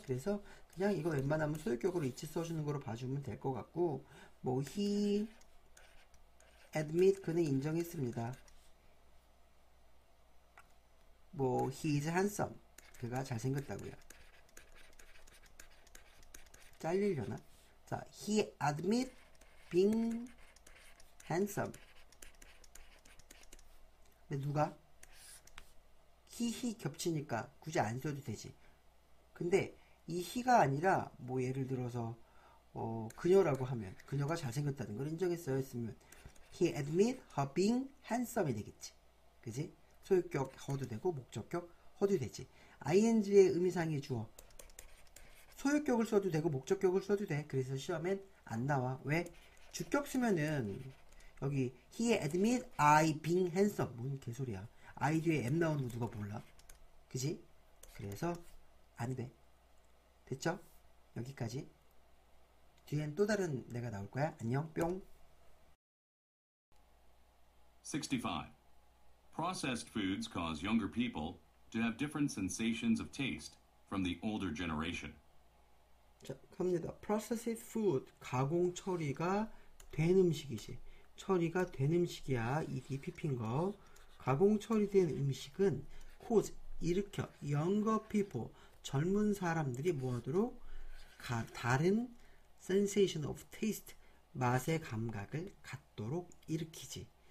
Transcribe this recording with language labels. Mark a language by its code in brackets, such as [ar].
[ko] 그래서 그냥 이거 웬만하면 소유격으로 it 써주는 거로 봐주면 될 것 같고 뭐 [en] he admit [ko] 그는 인정했습니다. 뭐 [en] he is handsome [ko] 그가 잘생겼다고요. 잘리려나? [en] 자, he admit being handsome. [ko] 근데 누가? he 겹치니까 굳이 안 써도 되지. 근데 이 he가 아니라 뭐 예를 들어서 그녀라고 하면 그녀가 잘생겼다는 걸 인정했어요 했으면 [en] he admit her being handsome [ko] 이 되겠지. 그지? 소유격 허도 되고 목적격 허도 되지. ing의 의미상의 주어 소유격을 써도 되고 목적격을 써도 돼. 그래서 시험엔 안 나와. 왜? 주격 쓰면은 여기 [en] he admit I being handsome [ko] 뭔 개소리야. I 뒤에 m 나오는 거 누가 몰라. 그지? 그래서 안 돼. 됐죠? 여기까지. 뒤엔 또 다른 내가 나올 거야. 안녕. 뿅. 65. [en] Processed foods cause younger people to have different sensations of taste from the older generation. [ko] 자, 갑니다. [en] Processed food, [ko] 가공 처리가 된 음식이지. 처리가 된 음식이야. EDPP인 거. 가공 처리된 음식은 cause, 일으켜. [en] Younger people, [ko] 젊은 사람들이 뭐하도록 다른 [en] sensation of taste, [ko] 맛의 감각을 갖도록 일으키지.